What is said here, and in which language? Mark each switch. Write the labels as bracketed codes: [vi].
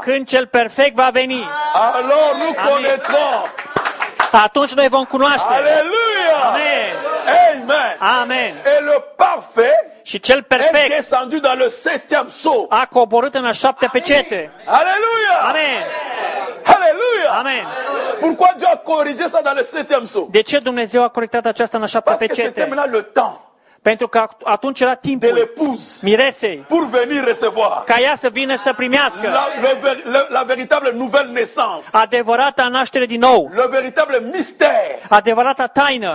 [ro] Când cel perfect va veni. [fr] Alors nous connaîtrons. [ro] Atunci noi vom cunoaște. Aleluia! Amen. Amen. Amen. [fr] Et le parfait. [ro] Și cel perfect. [fr] Est descendu dans le septième saut. [ro] A coborât în a șaptea pecete. Aleluia! Amen. Aleluia! Amen. [fr] Pourquoi Dieu a corrigé ça dans le septième saut? [ro] De ce Dumnezeu a corectat aceasta în a șaptea pecete? [fr] Parce que c'était maintenant le temps. [ro] Pentru că atunci era timpul [fr] de l'épouse, [ro] miresei [fr] pour venir recevoir, [ro] ca ea să vină și să primească [fr] la véritable nouvelle naissance, [ro] adevărata naștere din nou, [fr] le véritable mystère, [ro] adevărata taină